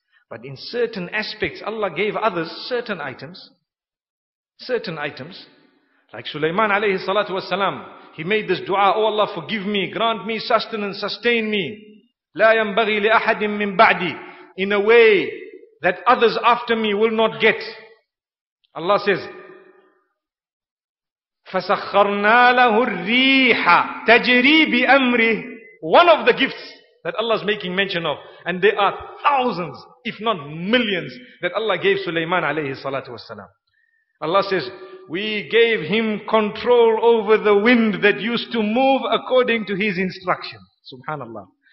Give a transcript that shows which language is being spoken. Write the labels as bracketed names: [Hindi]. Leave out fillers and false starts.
[English] But in certain aspects, Allah gave others certain items. Certain items. Like Sulaiman alayhi salatu wasalam, he made this dua, Oh Allah, forgive me, grant me sustenance, sustain me. [Arabic] لا ينبغي لأحد من بعدي. [English] In a way that others after me will not get. Allah says, [Arabic] فَسَخَّرْنَا لَهُ الرِّيحَ تَجْرِي بِأَمْرِهِ. [English] One of the gifts that Allah is making mention of. And there are thousands, if not millions, that Allah gave Sulaiman alayhi salatu wasalam. Allah says, we gave him control over the wind that used to move according to his instruction. Subhanallah.